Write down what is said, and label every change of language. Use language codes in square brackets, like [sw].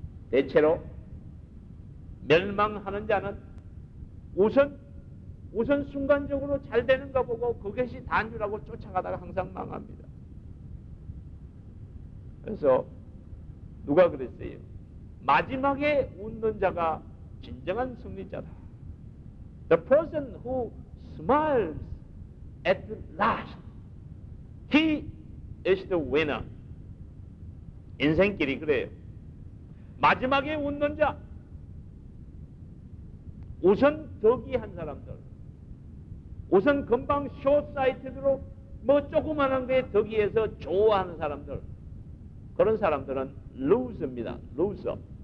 [ko] 대체로 멸망하는 자는 우선 순간적으로 잘 되는가 보고 그것이 다인 줄 알고 쫓아가다가 항상 망합니다. 그래서 누가 그랬어요? 마지막에 웃는 자가 진정한 승리자다. [en] The person who smiles at last, he is the winner. [ko] 인생길이 그래요. 마지막에 웃는 자, 우선 덕이 한 사람들, 우선 금방 숏사이트로 뭐 조그만한 게 덕이 해서 좋아하는 사람들, 그런 사람들은 루저입니다. 루저.